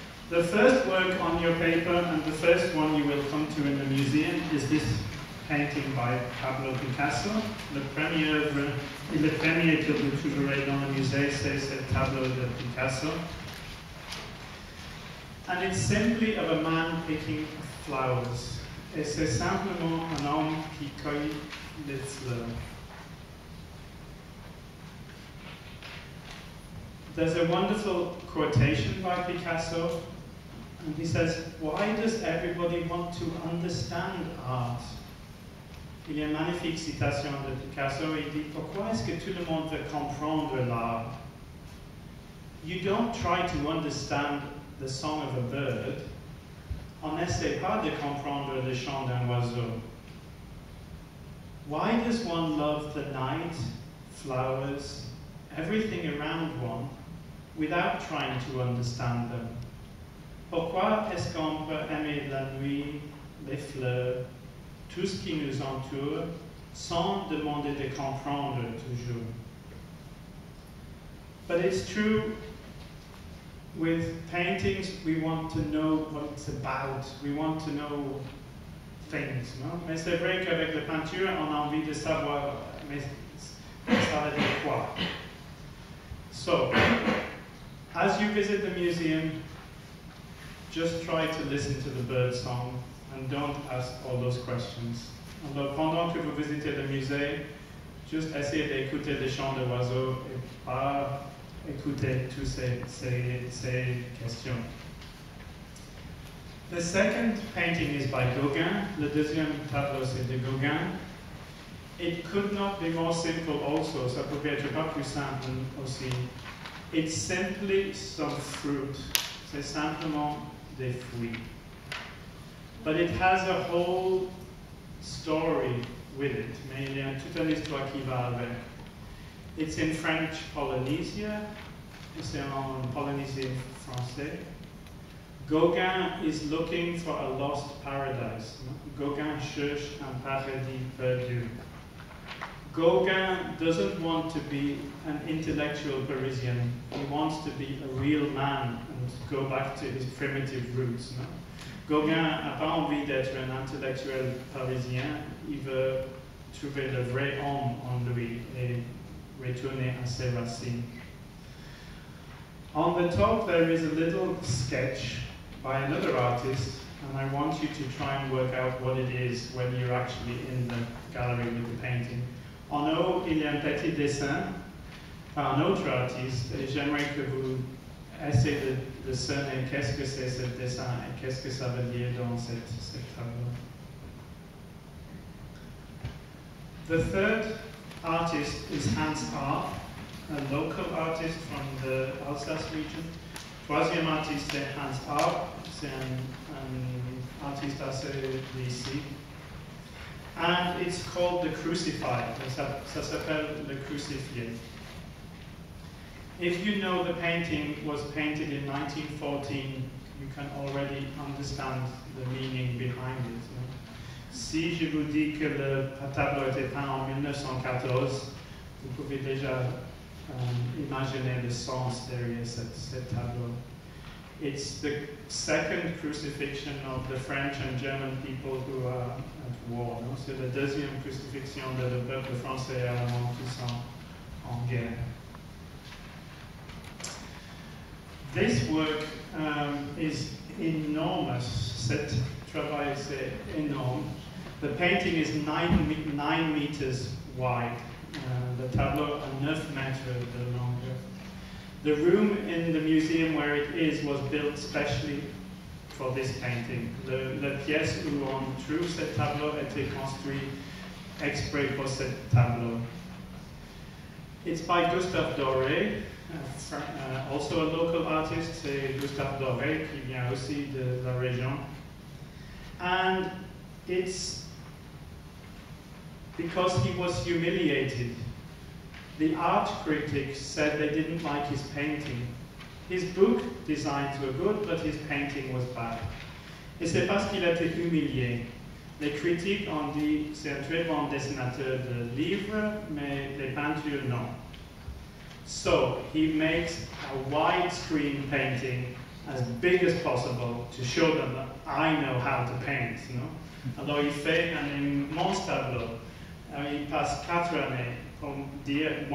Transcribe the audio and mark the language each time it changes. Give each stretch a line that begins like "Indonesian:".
English: The first work on your paper and the first one you will come to in the museum is this painting by Pablo Picasso.
French: Le premier que vous trouverez dans le musée, c'est ce tableau de Picasso.
English: And it's simply of a man picking flowers.
French: Et c'est simplement un homme qui cueille des fleurs.
English: There's a wonderful quotation by Picasso, and he says, "Why does everybody want to understand art?"
French: Il y a une magnifique citation de Picasso. Il dit, "Pourquoi est-ce que tout le monde veut comprendre l'art?"
English: You don't try to understand the song of a bird.
French: n'essaie pas de comprendre le chant d'un oiseau.
English: Why does one love the night, flowers, everything around one, without trying to understand them?
French: Pourquoi est-ce qu'on peut aimer la nuit, les fleurs, tout ce qui nous entoure, sans demander de comprendre toujours?
English: But it's true, with paintings, we want to know what it's about. We want to know things, no?
French: Mais c'est vrai qu'avec la peinture, on a envie de savoir, mais ça veut dire quoi?
English: So, as you visit the museum, just try to listen to the bird song and don't ask all those questions.
French: Alors, pendant que vous visitez le musée, just essayez d'écouter les chants de oiseaux et pas écouter toutes ces questions.
English: The second painting is by Gauguin.
French: Le deuxième tableau, c'est de Gauguin.
English: It could not be more simple also.
French: Ça pourrait être pas plus simple aussi.
English: It's simply some fruit.
French: C'est simplement des fruits.
English: But it has a whole story with it.
French: Mais il y a toute une histoire qui va avec.
English: It's in French Polynesia.
French: C'est en Polynésie française.
English: Gauguin is looking for a lost paradise.
French: Gauguin cherche un paradis perdu.
English: Gauguin doesn't want to be an intellectual Parisian. He wants to be a real man and go back to his primitive roots. No?
French: Gauguin n'a pas envie d'être un intellectuel parisien. Il veut trouver le vrai homme en lui et retourner à ses racines.
English: On the top, there is a little sketch by another artist, and I want you to try and work out what it is when you're actually in the gallery with the painting.
French: En haut, il y a un petit dessin par un autre artiste, et j'aimerais que vous essayiez de discerner qu'est-ce que c'est ce dessin et qu'est-ce que ça veut dire dans cette tableau.
English: The third artist is Hans Arp, a local artist from the Alsace region.
French: Troisième artiste est Hans Arp, c'est un artiste assez d'ici.
English: And it's called the Crucified.
French: Ça s'appelle le Crucifié.
English: If you know the painting was painted in 1914, you can already understand the meaning behind it. No?
French: Si je vous dis que le tableau était peint en 1914, vous pouvez déjà imaginer le sens derrière cette tableau.
English: It's the second crucifixion of the French and German people who are at war. No?
French: C'est la deuxième crucifixion de le peuple français et allemand qui sont en guerre.
English: This work is enormous.
French: Cet travail c'est énorme.
English: The painting is 9 meters wide.
French: The tableau a 9 meters de longueur.
English: The room in the museum where it is was built specially for this painting.
French: La pièce où on trouve ce tableau était construite exprès pour ce tableau.
English: It's by Gustave Doré, also a local artist.
French: C'est Gustave Doré qui vient aussi de la région.
English: And it's because he was humiliated. The art critic said they didn't like his painting. His book designs were good, but his painting was bad.
French: Et c'est parce qu'il a été humilié. Les critiques ont dit c'est un très bon dessinateur de livres, mais les peintures non.
English: So he makes a widescreen painting as big as possible to show them that I know how to paint. No?
French: Alors il fait un immense tableau. Il passe 4 années.